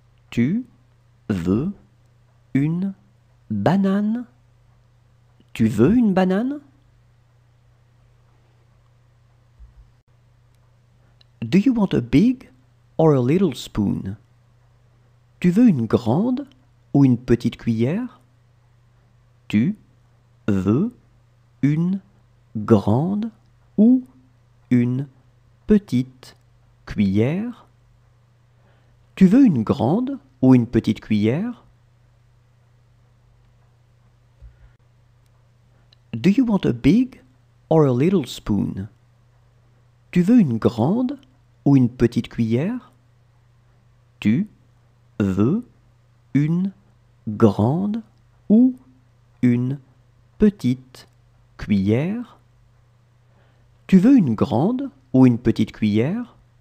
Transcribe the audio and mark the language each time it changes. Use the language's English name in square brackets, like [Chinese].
[French] Tu veux une banane? Tu veux une banane? [English] Do you want a big or a little spoon? [French] Tu veux une grande ou une petite cuillère? Tu veux une grande ou une petite cuillère? Tu veux une grande ou une petite cuillère? [English] Do you want a big or a little spoon? [French] Tu veux une grande ou une petite cuillère? Tu veux une grande ou une petite cuillère? Tu veux une grande ou une petite cuillère?